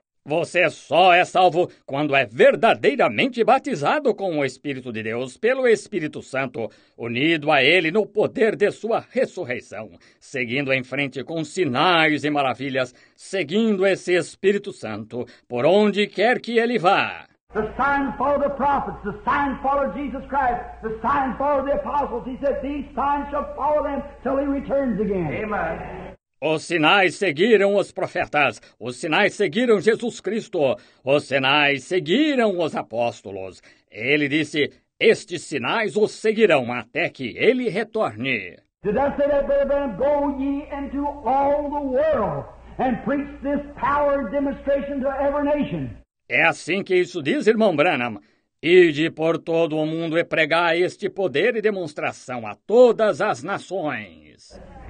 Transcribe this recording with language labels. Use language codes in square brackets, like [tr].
[pt] Você só é salvo quando é verdadeiramente batizado com o Espírito de Deus pelo Espírito Santo, unido a Ele no poder de sua ressurreição, seguindo em frente com sinais e maravilhas, seguindo esse Espírito Santo por onde quer que Ele vá. [en] The sign followed the prophets, the sign followed Jesus Christ, the sign followed the apostles. He said, these signs shall follow them till he returns again. Amen. [pt] Os sinais seguiram os profetas, os sinais seguiram Jesus Cristo, os sinais seguiram os apóstolos. Ele disse, estes sinais os seguirão até que ele retorne. [en] Did I say that, Brother Branham? Go ye into all the world and preach this power demonstration to every nation. [pt] É assim que isso diz, irmão Branham. Ide por todo o mundo e pregai este poder e demonstração a todas as nações.